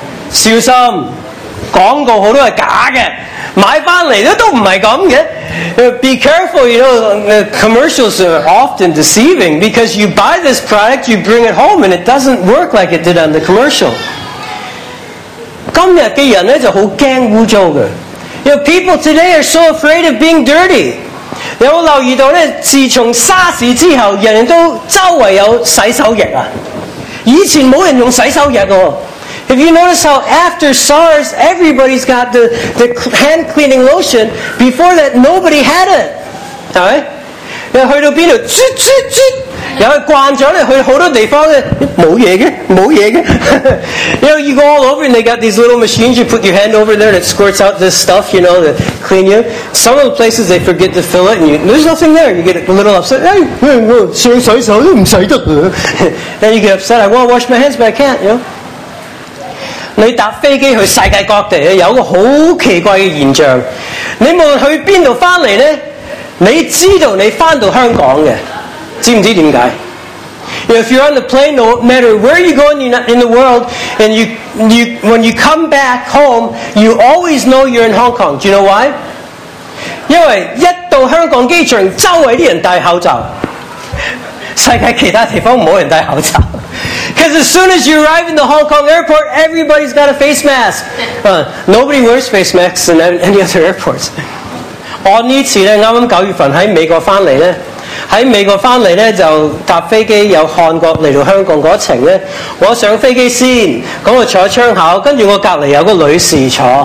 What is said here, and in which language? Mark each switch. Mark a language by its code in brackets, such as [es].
[yue] 小心，广告好多系假嘅，买翻嚟都唔系咁嘅。 [en] Be careful, you know, the commercials are often deceiving because you buy this product, you bring it home, and it doesn't work like it did on the commercial. [yue] 今日嘅人咧就好惊污糟嘅。 [en] You know, people today are so afraid of being dirty. [yue] 有冇留意到咧？自从沙士之后，人人都周围有洗手液啊。以前冇人用洗手液喎。 [en] If you notice how after SARS, everybody's got the hand cleaning lotion. Before that, nobody had it. Alright? [yue] 又去到边度？啜啜啜！又惯咗咧，去好多地方咧，冇嘢嘅，冇嘢嘅。 [en] You know, you go all over and they got these little machines. You put your hand over there and it squirts out this stuff. You know, to clean you. Some of the places they forget to fill it, and there's nothing there. You get a little upset. Hey, no, [yue] 洗洗手都唔洗得。 [en] Then you get upset. I want to wash my hands, but I can't. You know. [yue] 你搭飛機去世界各地有個好奇怪嘅現象。你無論去邊度翻嚟咧，你知道你翻到香港嘅，知唔知點解 [en] ？If you're on the plane, no matter where you go in the world, and you when you come back home, you always know you're in Hong Kong. Do you know why? [yue] 因為一到香港機場，周圍啲人戴口罩，世界其他地方冇人戴口罩。 [en] Because as soon as you arrive in the Hong Kong airport, everybody's got a face mask. Nobody wears face masks in any other airports. [yue] 我呢次咧，啱啱九月份喺美國翻嚟咧，喺美國翻嚟咧就搭飛機由韓國嚟到香港嗰程咧，我上飛機先，咁我坐窗口，跟住我隔離有個女士坐。